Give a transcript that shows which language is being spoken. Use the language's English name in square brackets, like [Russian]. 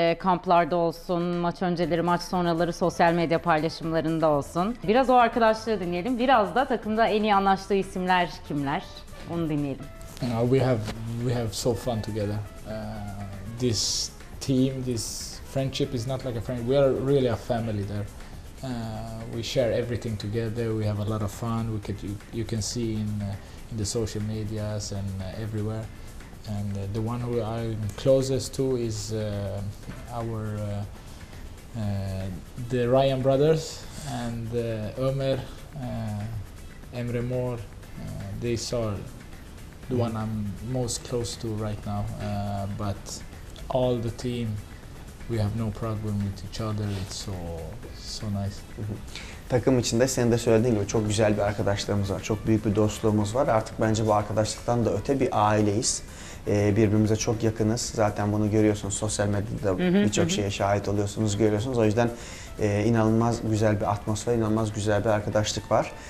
[Turkish] Kamplarda olsun, maç önceleri, maç sonraları, sosyal medya paylaşımlarında olsun. Biraz o arkadaşlığı dinleyelim. Biraz da takımda en iyi anlaştığı isimler kimler? Onu dinleyelim. [English] You know, we have so fun together. This team, this friendship is not like a friend. We are really a family there. We share everything together. We have a lot of fun. We could you can see in the social medias and everywhere. And the one who I'm closest to is the Ryan brothers and Ömer, Emre Mor. They are the one I'm most close to right now. But all the team, we have no problem with each other. It's so nice. [Turkish] Takım içinde senin de söylediğin gibi çok güzel bir arkadaşlığımız var, çok büyük bir dostluğumuz var. Artık bence bu arkadaşlıktan da öte bir aileyiz. Birbirimize çok yakınız. Zaten bunu görüyorsunuz. Sosyal medyada birçok şeye şahit oluyorsunuz, görüyorsunuz. O yüzden inanılmaz güzel bir atmosfer, inanılmaz güzel bir arkadaşlık var.